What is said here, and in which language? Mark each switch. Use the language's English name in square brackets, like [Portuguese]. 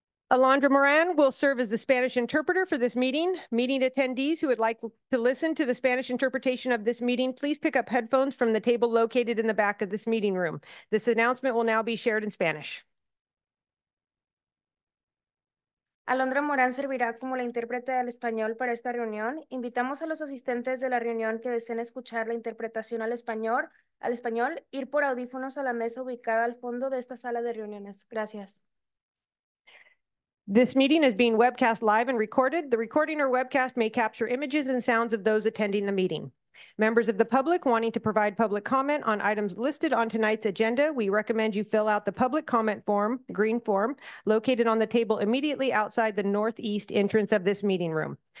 [English] Alondra Moran will serve as the Spanish interpreter for this meeting. Meeting attendees who would like to listen to the Spanish interpretation of this meeting, please pick up headphones from the table located in the back of this meeting room. This announcement will now be shared in Spanish. [Spanish] Alondra Morán servirá como la intérprete al español para esta reunión. Invitamos a los asistentes de la reunión que deseen escuchar la interpretación al español, ir por audífonos a la mesa ubicada al fondo de esta sala de reuniones. Gracias. [English] This meeting is being webcast live and recorded. The recording or webcast may capture images and sounds of those attending the meeting. Members of the public wanting to provide public comment on items listed on tonight's agenda, we recommend you fill out the public comment form, green form, located on the table immediately outside the northeast entrance of this meeting room.